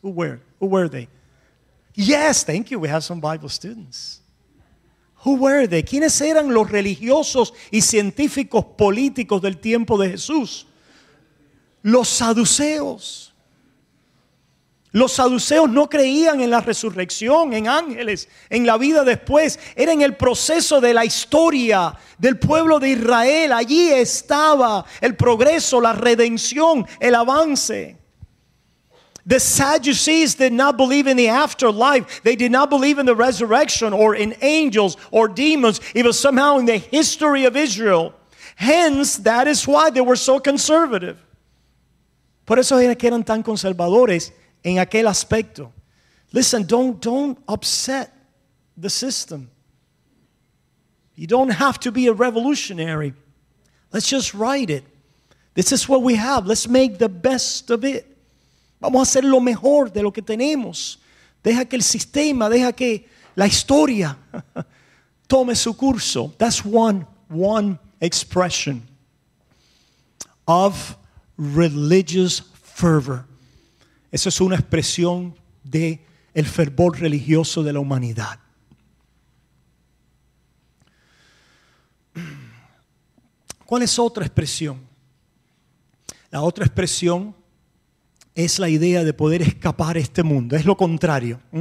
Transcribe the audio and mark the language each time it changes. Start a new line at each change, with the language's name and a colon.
English: Who were they? Yes, thank you. We have some Bible students. Who were they?
Spanish: ¿Quiénes eran los religiosos y científicos políticos del tiempo de Jesús? Los saduceos. Los saduceos no creían en la resurrección, en ángeles, en la vida después. Era en el proceso de la historia del pueblo de Israel. Allí estaba el progreso, la redención, el avance.
English: The Sadducees did not believe in the afterlife. They did not believe in the resurrection or in angels or demons. It was somehow in the history of Israel. Hence, that is why they were so conservative.
Spanish: Por eso era que eran tan conservadores en aquel aspecto.
English: Listen, don't upset the system. You don't have to be a revolutionary. Let's just write it. This is what we have. Let's make the best of it.
Spanish: Vamos a hacer lo mejor de lo que tenemos. Deja que el sistema, deja que la historia tome su curso.
English: That's one expression of religious fervor.
Spanish: Esa es una expresión de el fervor religioso de la humanidad. ¿Cuál es otra expresión? La otra expresión es la idea de poder escapar este mundo. Es lo contrario.